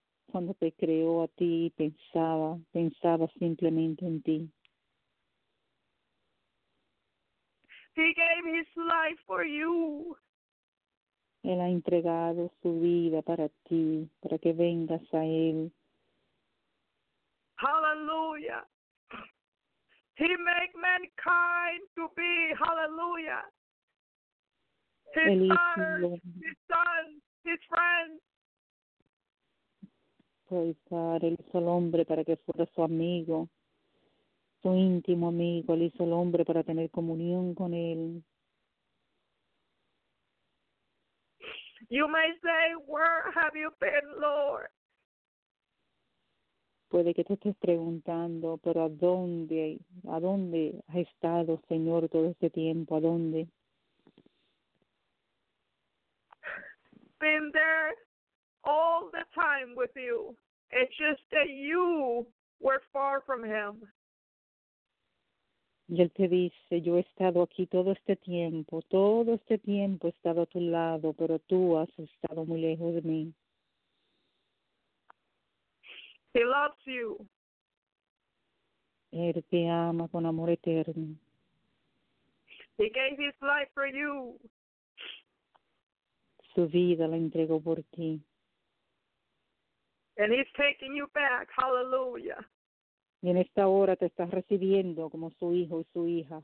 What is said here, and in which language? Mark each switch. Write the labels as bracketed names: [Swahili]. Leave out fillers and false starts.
[Spanish] Cuando te creó a ti, pensaba simplemente en ti. [English] He gave His life for you. [Spanish] Él ha entregado su vida para ti, para que vengas a Él. [English] Hallelujah. He made mankind to be, hallelujah. His daughters, His sons, His friends. [Spanish] Pues, Padre, Él hizo al hombre para que fuera su amigo. Su íntimo amigo, Él hizo al hombre para tener comunión con Él. [English] You may say, where have you been, Lord? [Spanish] Puede que te estés preguntando, pero ¿a dónde has estado, Señor, todo este tiempo? ¿A dónde? [English] Been there all the time with you. It's just that you were far from Him. [Spanish] Y Él te dice, yo he estado aquí todo este tiempo he estado a tu lado, pero tú has estado muy lejos de mí. [English] He loves you. [Spanish] Él te ama con amor eterno. [English] He gave His life for you. [Spanish] Su vida la entregó por ti. [English] And He's taking you back, hallelujah. [Spanish] Y en esta hora te estás recibiendo como su hijo y su hija.